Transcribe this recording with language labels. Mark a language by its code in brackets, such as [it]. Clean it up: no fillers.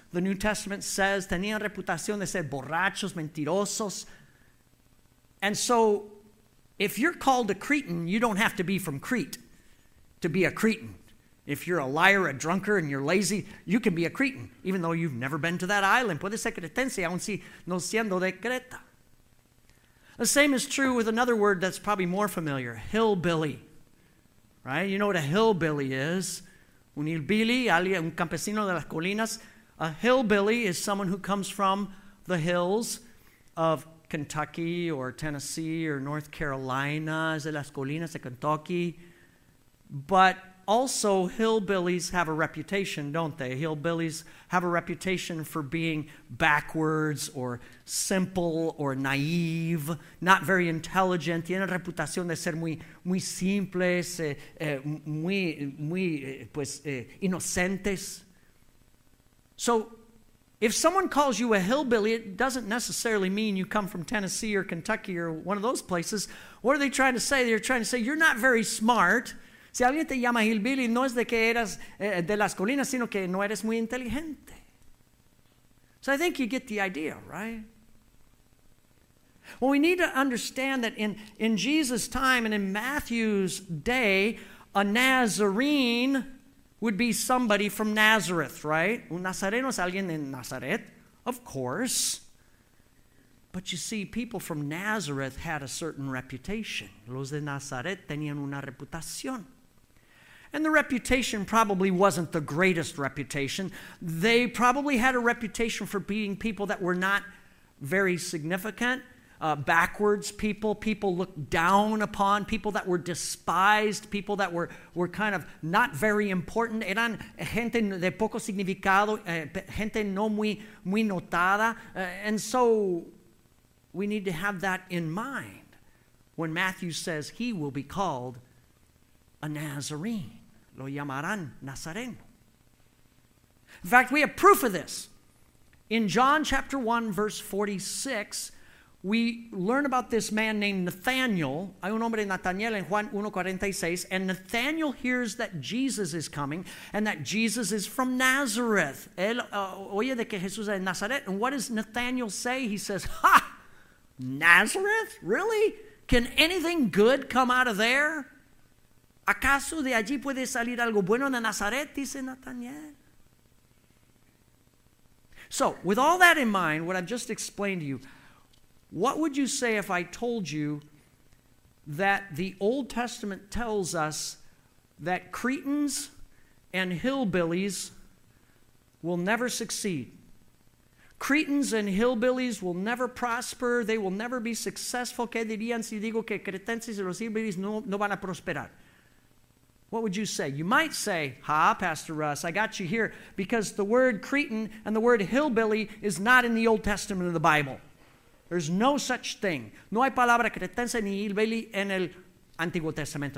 [en] The New Testament says, [es] tenían reputación de ser borrachos, mentirosos. [en] And so, if you're called a Cretan, you don't have to be from Crete to be a Cretan. If you're a liar, a drunkard, and you're lazy, you can be a Cretan, even though you've never been to that island. [es] Puede ser cretense, aun si no siendo de Creta. [en] The same is true with another word that's probably more familiar, hillbilly. Right? You know what a hillbilly is. [es] Un hillbilly, alguien, un campesino de las colinas. [en] A hillbilly is someone who comes from the hills of Kentucky or Tennessee or North Carolina, [es] es de las colinas de Kentucky. [en] But also hillbillies have a reputation, don't they? Hillbillies have a reputation for being backwards or simple or naive, not very intelligent. [es] Tienen reputación de ser muy simples, muy inocentes. [en] So if someone calls you a hillbilly, it doesn't necessarily mean you come from Tennessee or Kentucky or one of those places. What are they trying to say? They're trying to say, you're not very smart. [es] Si alguien te llama hillbilly, no es de que eras de las colinas, sino que no eres muy inteligente. [en] So I think you get the idea, right? Well, we need to understand that in Jesus' time and in Matthew's day, a Nazarene would be somebody from Nazareth, right? [es] Un Nazareno es alguien en Nazaret. [en] Of course. But you see, people from Nazareth had a certain reputation. [es] Los de Nazaret tenían una reputación. [en] And the reputation probably wasn't the greatest reputation. They probably had a reputation for being people that were not very significant. Backwards people, people looked down upon, people that were despised, people that were kind of not very important. [es] Eran gente de poco significado, gente no muy, muy notada. [en] And so we need to have that in mind when Matthew says he will be called a Nazarene. [es] Lo llamarán Nazareno. [en] In fact, we have proof of this. In John chapter 1, verse 46, we learn about this man named Nathanael. [es] Hay un hombre, Nathanael, en Juan 1:46. [en] And Nathanael hears that Jesus is coming and that Jesus is from Nazareth. [es] Él oye de que Jesús es de Nazaret. [en] And what does Nathanael say? He says, ha, Nazareth? Really? Can anything good come out of there? [es] ¿Acaso de allí puede salir algo bueno de Nazaret? Dice Nathanael. [en] So, with all that in mind, what I've just explained to you, what would you say if I told you that the Old Testament tells us that Cretans and hillbillies will never succeed? Cretans and hillbillies will never prosper. They will never be successful. [es] ¿Qué dirían si digo que cretenses y los hillbillies no van a prosperar? [en] What would you say? You might say, ha, Pastor Russ, I got you here, because the word Cretan and the word hillbilly is not in the Old Testament of the Bible. There's no such thing. [es] No hay palabra cretense ni hillbilly en el Antiguo Testamento.